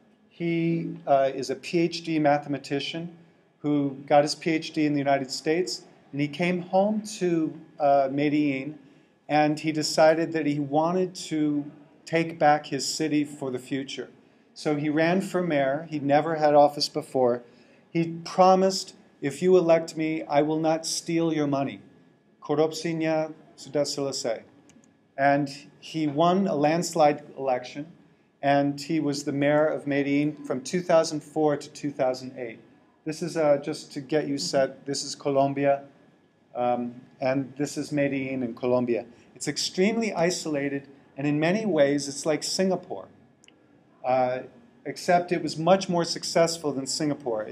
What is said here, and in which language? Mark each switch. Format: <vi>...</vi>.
<en>He is a PhD mathematician who got his PhD in the United States, and he came home to Medellin, and he decided that he wanted to take back his city for the future. So he ran for mayor. He never had office before. He promised, if you elect me, I will not steal your money.</en> <id>Korupsinya sudah selesai.</id> <en>And he won a landslide election, and he was the mayor of Medellin from 2004 to 2008. This is just to get you set. This is Colombia, and this is Medellin in Colombia. It's extremely isolated, and in many ways, it's like Singapore, except it was much more successful than Singapore.</en>